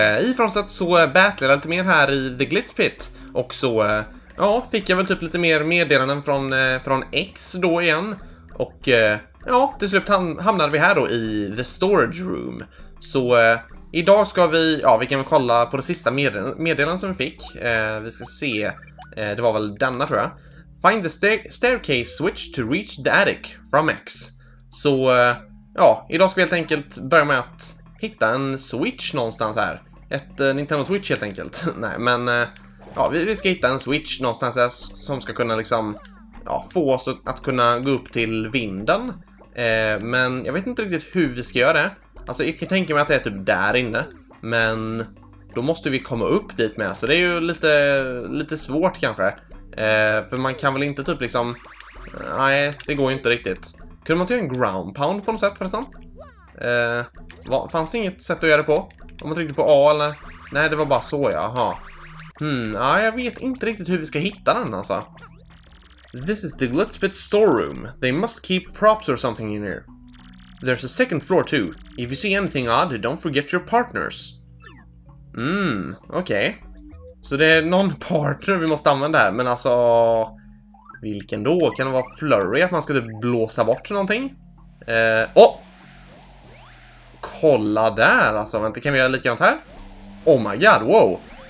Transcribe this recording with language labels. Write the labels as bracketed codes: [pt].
[sv] I förhållande så battlade jag lite mer här i The Glitch Pit. Och så ja, fick jag väl typ lite mer meddelanden från X då igen. Och ja, till slut hamnade vi här då i The Storage Room. Så idag ska vi, ja, vi kan väl kolla på det sista meddelandet som vi fick. Vi ska se, det var väl denna tror jag. [en] Find the staircase switch to reach the attic from X. [sv] Så ja, idag ska vi helt enkelt börja med att hitta en switch någonstans här. Ett Nintendo Switch helt enkelt. Nej, men ja, vi ska hitta en switch någonstans här som ska kunna liksom, ja, få oss att kunna gå upp till vinden. Men jag vet inte riktigt hur vi ska göra det. Alltså jag kan tänka mig att det är typ där inne. Men då måste vi komma upp dit med. Så det är ju lite svårt kanske. För man kan väl inte typ liksom, nej, det går ju inte riktigt. Kunde man ta en ground pound på något sätt förresten? Fanns det inget sätt att göra det på? Om man tryckte på A eller? Nej, det var bara så, jaha. Jag vet inte riktigt hur vi ska hitta den alltså. [en] This is the Glitch Pit storeroom. They must keep props or something in here. There's a second floor too. If you see anything odd, don't forget your partners. Okej. Okay. [sv] Så det är någon partner vi måste använda här, men alltså, vilken då? Kan det vara flurry att man ska blåsa bort någonting? Kolla där alltså. Vänta, kan vi göra likadant här? [en] Oh my god, wow.